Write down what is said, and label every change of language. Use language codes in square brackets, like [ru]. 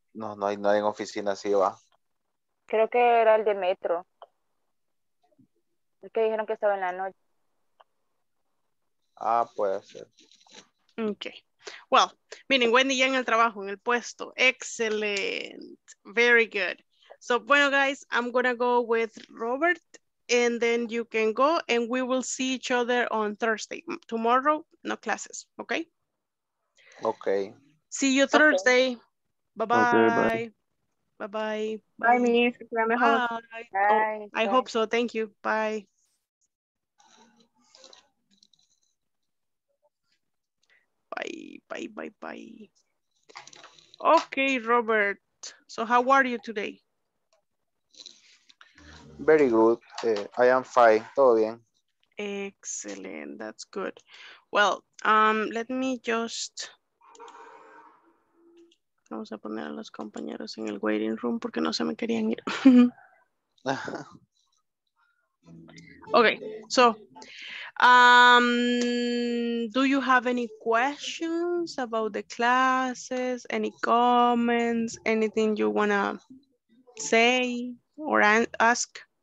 [es] No, no hay nadie en oficina, sí va. Creo que era el de Metro. Es que dijeron que estaba en la noche. Ah, puede ser. [en] Ok. Well, [es] miren, Wendy ya en el trabajo, en el puesto. [en] Excellent. Very good. So, [es] bueno, [en] guys, I'm going to go with Robert, and then you can go, and we will see each other on Thursday. Tomorrow, no classes, okay? Okay. See you Thursday. Okay. Bye-bye. Okay, bye. Bye-bye. Bye, Miss. Bye. Bye. Oh, I hope so. Thank you. Bye. Bye, bye, bye, bye. Okay, Robert. So how are you today? Very good. I am fine. [es] Todo bien. [en] Excellent. That's good. Well, let me just... [es] Vamos a poner a los compañeros en el [en] waiting room [es] porque no se me querían ir. [en] Okay, so... do you have any questions about the classes, any comments, anything you want to say or ask?